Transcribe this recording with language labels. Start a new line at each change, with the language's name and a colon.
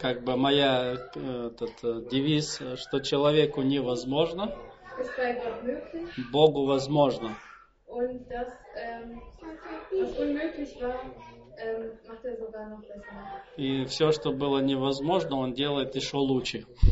Russian: Как бы моя этот девиз, что человеку невозможно.
German: Ist bei Gott möglich.
Russian: Богу возможно.
German: Und das, was unmöglich war, macht sogar noch besser.
Russian: И все, что было невозможно, он делает еще лучше.